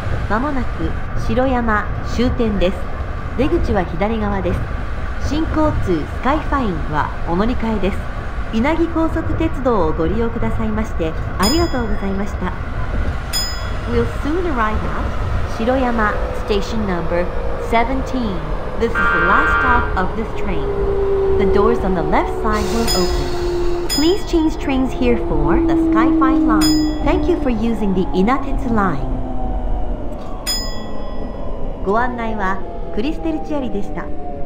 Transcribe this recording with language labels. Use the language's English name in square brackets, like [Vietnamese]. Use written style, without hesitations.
[Japanese] まもなく城山終点です。出口は左側です。新交通スカイファインはお乗り換えです。稲城高速鉄道をご利用くださいましてありがとうございました。 [English] We'll soon arrive at 城山 station number 17. This is the last stop of this train. The doors on the left side will open. Please change trains here for the Sky Fine line. Thank you for using the 稲鉄 line. [Japanese] ご案内はクリステルチアリでした。